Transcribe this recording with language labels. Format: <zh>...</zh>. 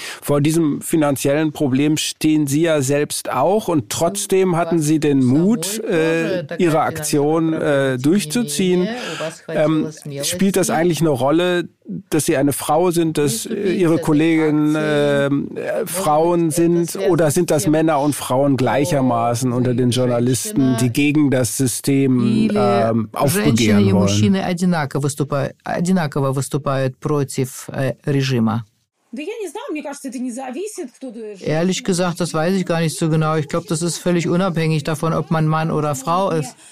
<de>Vor diesem finanziellen Problem stehen Sie ja selbst auch, und trotzdem hatten Sie den Mut, Ihre Aktion durchzuziehen. Spielt das eigentlich eine Rolle, dass Sie eine Frau sind, dass Ihre Kolleginnen Frauen sind, oder sind das Männer und Frauen gleichermaßen unter den Journalisten, die gegen das System aufbegehren wollen?</de> <ru>Женщины и мужчины одинаково выступают против режима.</ru> <de>Ehrlich gesagt, das weiß ich gar nicht so genau. Ich glaube, das ist völlig unabhängig davon, ob man Mann oder Frau ist.</de>